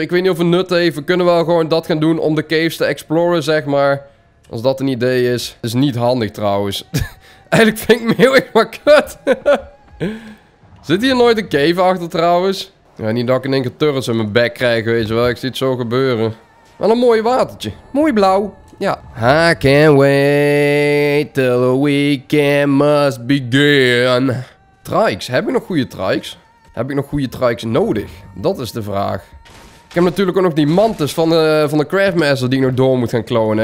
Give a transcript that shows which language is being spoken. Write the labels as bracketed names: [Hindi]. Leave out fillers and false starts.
[Dutch] Ik weet niet of het nut heeft. We kunnen wel gewoon dat gaan doen om de caves te exploren, zeg maar. Als dat een idee is. Dat is niet handig trouwens. Eigenlijk vind ik me heel erg maar kut. Zit hier nooit een cave achter trouwens? Ja, niet dat ik in één keer turrets in mijn bek krijg, weet je wel. Ik zie het zo gebeuren. Wel een mooi watertje. Mooi blauw. Ja. [English] I can't wait till the weekend must begin. [Dutch] Trikes. Heb ik nog goede trikes? Heb ik nog goede trikes nodig? Dat is de vraag. Ik heb natuurlijk ook nog die mantis van de Craftmaster die ik nog door moet gaan klonen.